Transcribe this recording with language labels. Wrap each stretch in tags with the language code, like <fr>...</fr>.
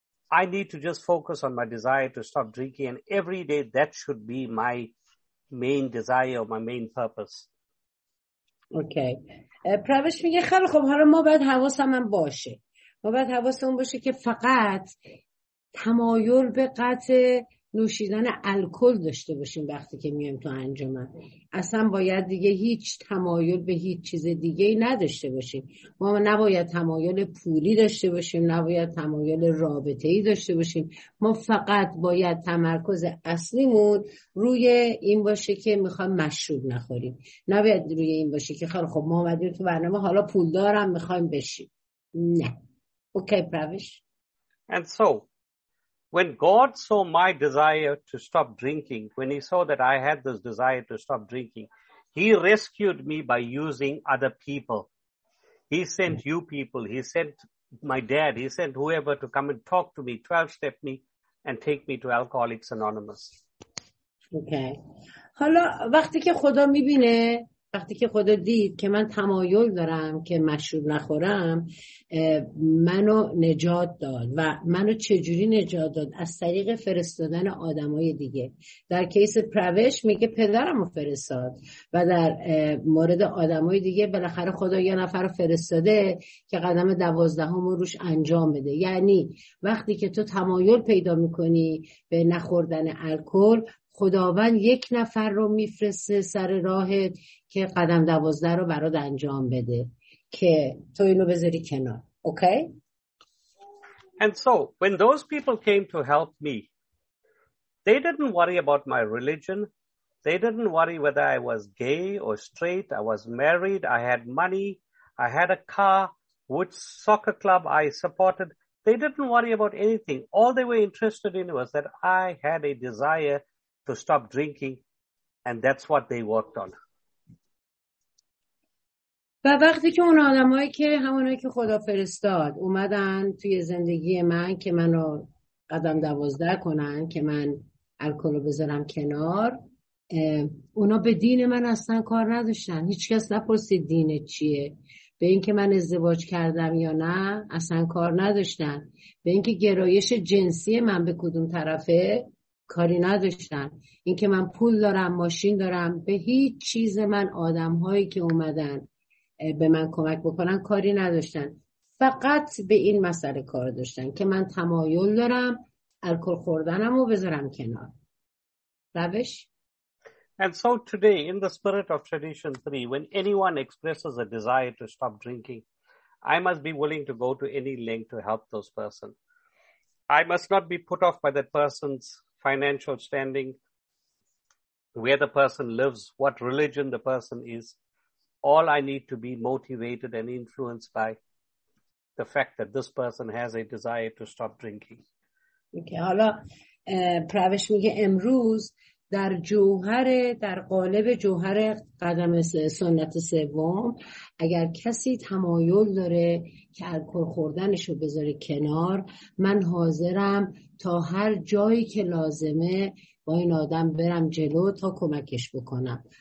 <en>I need to just focus on my desire to stop drinking, and every day that should be my main desire or my main purpose. Okay.</en> <fa>پروش میگه خیلی خب، حالا ما باید حواسمون باشه. ما باید حواسمون باشه که فقط تمایل به قطع نوشیدن الکل داشته باشیم وقتی که میایم تو انجمن. اصلا باید دیگه هیچ تمایل به هیچ چیز دیگه‌ای نداشته باشیم. ما نباید تمایل پولی داشته باشیم، نباید تمایل رابطه‌ای داشته باشیم. ما فقط باید تمرکز اصلیمون روی این باشه که میخوایم مشروب نخوریم. نباید روی این باشه که خیلی خب ما اومدیم تو برنامه، حالا پولدارم میخوایم بشیم. نه. اوکی پروش.</fa> <en>And so when God saw my desire to stop drinking, when he saw that I had this desire to stop drinking, he rescued me by using other people. He sent you people. He sent my dad. He sent whoever to come and talk to me, 12-step me, and take me to Alcoholics Anonymous. Okay.</en> <fa>حالا وقتی که خدا میبینه، وقتی که خدا دید که من تمایل دارم که مشروب نخورم، منو نجات داد. و منو چجوری نجات داد؟ از طریق فرستادن آدمای دیگه. در کیس پروش میگه پدرمو فرستاد، و در مورد آدمای دیگه بالاخره خدا یه نفر رو فرستاده که قدم 12 روش انجام بده. یعنی وقتی که تو تمایل پیدا میکنی به نخوردن الکل، خداوند یک نفر رو میفرسته سر راهت که قدم 12 رو برات انجام بده که تو اینو بذاری کنار. اوکی؟</fa> <en>And so when those people came to help me, they didn't worry about my religion. They didn't worry whether I was gay or straight. I was married. I had money. I had a car. Which soccer club I supported. They didn't worry about anything. All they were interested in was that I had a desire to stop drinking, and that's what they worked on.</en> <fa>و وقتی که اون آدمایی که همونایی که خدا فرستاد اومدن توی زندگی من که منو قدم 12 کنن، که من الکل رو بذارم کنار، اونا به دین من اصلا کار نداشتن. هیچ کس نپرسید دین چیه، به اینکه من ازدواج کردم یا نه اصلا کار نداشتن، به اینکه گرایش جنسی من به کدوم طرفه کاری نداشتن، اینکه من پول دارم، ماشین دارم، به هیچ چیز من آدمهایی که اومدن به من کمک بکنن کاری نداشتن. فقط به این مسئله کار داشتن که من تمایل دارم الکل خوردنم رو بذارم کنار. روش؟</fa> <en>And so today, in the spirit of tradition 3, when anyone expresses a desire to stop drinking, I must be willing to go to any length to help those person. I must not be put off by that person's financial standing, where the person lives, what religion the person is. All I need to be motivated and influenced by the fact that this person has a desire to stop drinking.</en> <fa>Okay, حالا پروش میگه امروز در جوهر، در قالب جوهر قدم سنت سوم، اگر کسی تمایل داره که الکل خوردنشو بذاره کنار، من حاضرم تا هر جایی که لازمه با این آدم برم جلو تا کمکش بکنم.</fa>